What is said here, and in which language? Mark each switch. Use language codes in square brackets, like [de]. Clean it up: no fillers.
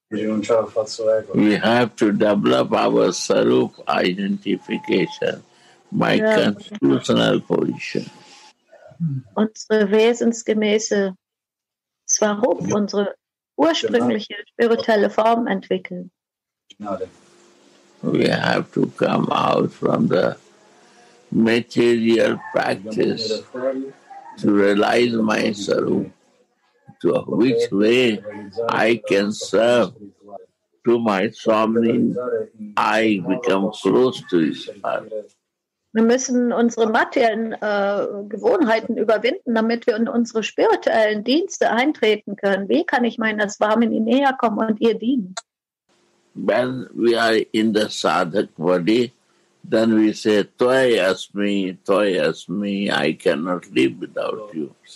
[en] We have to develop our sarup identification, my constitutional position. [de] Unsere wesensgemäße Swarup, unsere ursprüngliche spirituelle Form entwickeln. [en] We have to come out from the material practice to realize my sarup. To which way I can serve to my Swami, I become close to his heart. [de] Wir müssen unsere materiellen Gewohnheiten überwinden, damit wir in unsere spirituellen Dienste eintreten können. Wie kann ich meiner Swami näher kommen und ihr dienen? [en] When we are in the sadhak body, then we say, toi asmi, I cannot live without you.